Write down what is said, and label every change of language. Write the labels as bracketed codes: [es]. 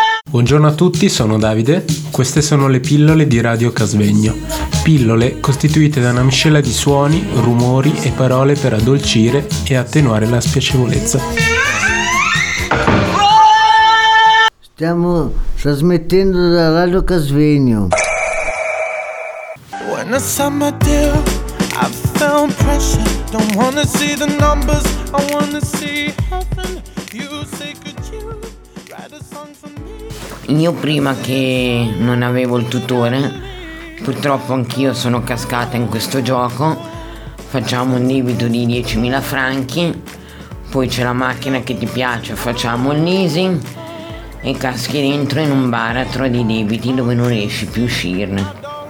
[it] Buongiorno a tutti, sono Davide. Queste sono le pillole di Radio Casvegno. Pillole costituite da una miscela di suoni, rumori e parole per addolcire e attenuare la spiacevolezza. Stiamo trasmettendo da Radio Casvegno. [en] When I saw my deal, I felt pressure. Don't wanna see the numbers, I wanna see heaven. You say could you write a song for me? [it] Io prima che non avevo il tutore, purtroppo anch'io sono cascata in questo gioco. Facciamo un debito di 10.000 franchi, poi c'è la macchina che ti piace, facciamo il leasing e caschi dentro in un baratro di debiti dove non riesci più a uscirne.